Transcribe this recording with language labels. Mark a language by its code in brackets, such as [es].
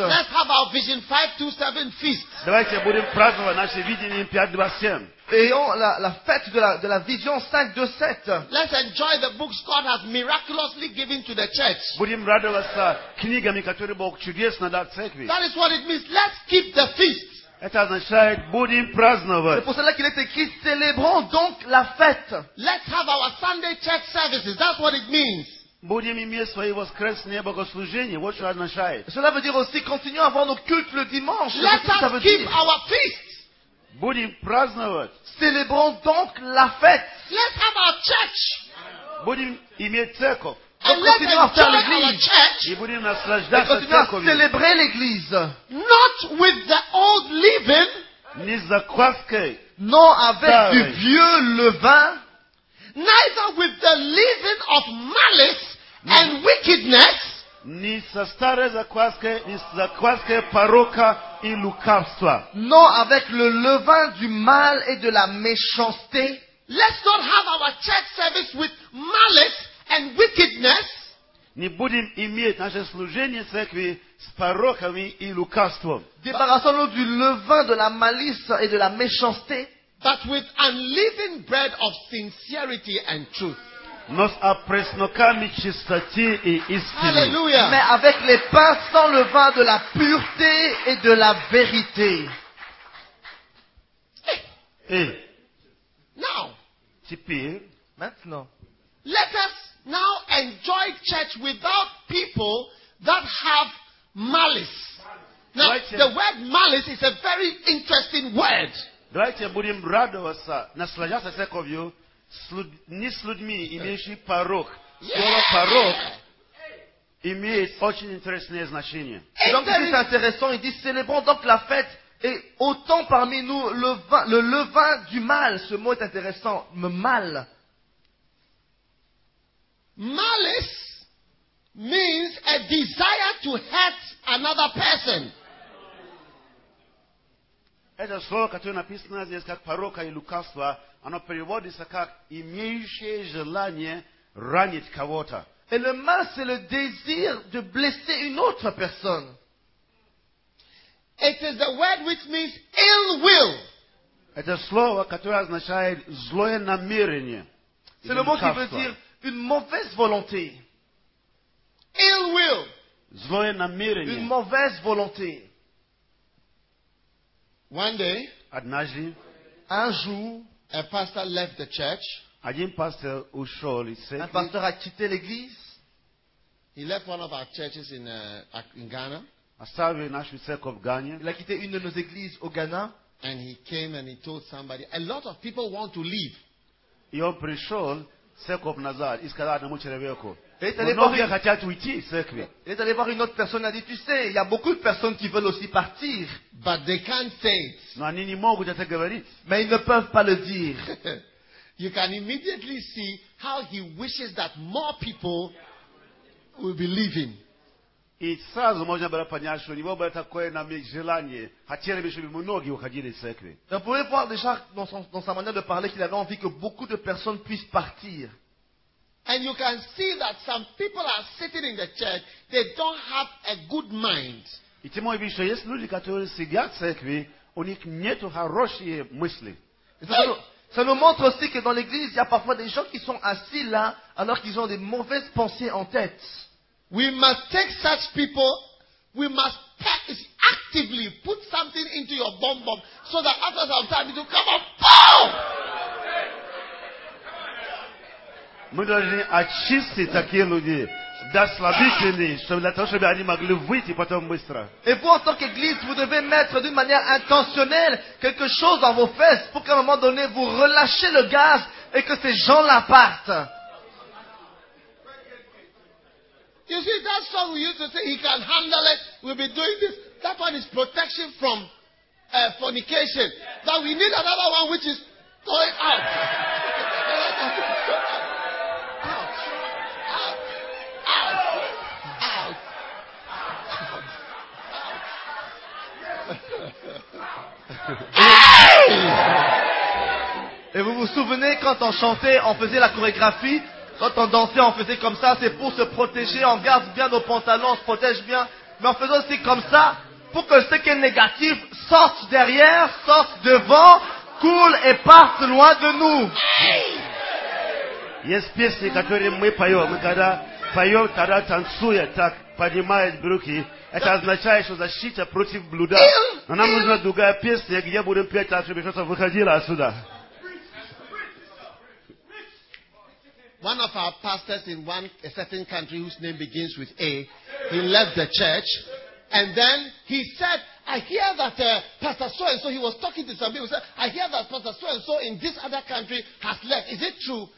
[en] Let's have our Vision 527 feast. [ru] Давайте будем праздновать наше видение 527. [fr] Ayons la fête de la Vision 527. [en] Let's enjoy the books God has miraculously given to the church. [ru] Будем радоваться книгами, которые Бог чудесно дал церкви. [en] That is what it means. Let's keep the feast. [ru] Это означает, будем праздновать. [fr] C'est pour cela qu'il est écrit, célébrons donc la fête. [en] Let's have our Sunday church services. That's what it means. [ru] Будем иметь свои воскресные богослужения. Вот что означает. [fr] Cela veut dire aussi, continuons à avoir nos cultes le dimanche. [en] Let us keep our feasts. [ru] Будем праздновать. [fr] Célébrons donc la fête. [en] Let's have our church. [ru] Будем иметь церковь. [en] And let's enjoy the church. [fr] Et continuons à célébrer l'église. [en] Not with the old leaven. [fr] Ni [ru] закваской. [fr] Non, avec du vieux levain. [en] Neither with the leaven of malice and wickedness. [fr] Ni [ru] со старой закваской, ни с закваской порока и лукавства. [fr] Non, avec le levain du mal et de la méchanceté. [en] Let's not have our church service with malice. And wickedness. [ru] Не будем иметь наше служение церкви с пороками и лукавством. [fr] Débarrassons-nous du levain, de la malice et de la méchanceté. [en] But with unleavened bread of sincerity and truth. [ru] Но с опресноками чистоты и истины. [en] Hallelujah. [fr] Mais avec les pains sans levain de la pureté et de la vérité. [en] Hey. Now. [ru] Теперь. [fr] Maintenant. [en] Let us now enjoy church without people that have malice. Now, [ru] давайте, [en] the word malice is a very interesting word. [ru] Давайте будем радоваться, наслаждаться церковью, не с людьми, имеющими порок. Слово порок имеет очень интересное значение. [fr] Donc, c'est intéressant, il dit, célébrons donc la fête, et autant parmi nous, le levain du mal, ce mot est intéressant, mal. [en] Malice means a desire to hurt another person. [ru] Это слово, которое написано здесь как порока и лукавство, оно переводится как имеющее желание ранить кого-то. [fr] Et le mal, c'est le désir de blesser une autre personne. [en] It is the word which means ill will. [ru] Это слово, которое означает злое намерение. [fr] C'est le mot qui veut dire une mauvaise volonté. [en] Ill will. [ru] Злое намерение. [fr] Une mauvaise volonté. [en] One day, [ru] однажды, [fr] un jour, [en] a pastor left the church. [ru] Один пастор ушел из церкви. [fr] Un pasteur a quitté l'église. [en] He left one of our churches in Ghana. [ru] Оставил нашу церковь в Гане. [fr] Il a quitté une de nos églises au Ghana. [en] And he came and he told somebody, a lot of people want to leave. [ru] И он пришел в церковь назад и сказал одному человеку, многие хотят уйти из церкви. [fr] Il est allé voir une autre personne, il a dit, tu sais, il y a beaucoup de personnes qui veulent aussi partir. [en] But they can't say it. [ru] Но они не могут это говорить. [fr] Mais ils ne peuvent pas le dire. [en] You can immediately see how he wishes that more people will be leaving. [ru] И сразу можно было понять, что у него было такое желание, хотели бы, чтобы многие уходили из церкви. Вы можете видеть [fr] déjà dans sa manière de parler qu'il avait envie que beaucoup de personnes puissent partir. [en] And you can see that some people are sitting in the church, they don't have a good mind. [ru] И ты можешь видеть, что есть люди, которые сидят в церкви, у них нет хорошие мысли. [fr] Ça nous montre aussi que dans l'église, il y a parfois des gens qui sont assis là, alors qu'ils ont des mauvaises pensées en tête. [en] We must take such people, we must practice actively, put something into your bonbon, so that after some time it will come up, boom! [ru] Мы должны очистить таких людей, дослабительные, чтобы для того, чтобы они могли выйти потом быстро. [fr] Et vous, en tant qu'église, vous devez mettre d'une manière intentionnelle quelque chose dans vos fesses pour qu'à un moment donné, vous relâchez le gaz et que ces gens la partent. [en] You see, that song we used to say, he can handle it, we'll be doing this. That one is protection from fornication. That we need another one which is going out. [fr] Et vous vous souvenez quand on chantait, on faisait la chorégraphie, quand on dansait, on faisait comme ça, c'est pour se protéger, on garde bien nos pantalons, on se protège bien, mais on faisait aussi comme ça pour que ce qui est négatif sorte derrière, sorte devant, coule et parte loin de nous. [ru] Это означает, что защита против блуда. Но нам нужна другая песня, где будем петь так, чтобы что-то выходило отсюда. [en] One of our pastors in one a certain country whose name begins with A, he left the church, and then he said, I hear that Pastor So-and-so, he was talking to some people, said, I hear that Pastor So-and-so in this other country has left. Is it true?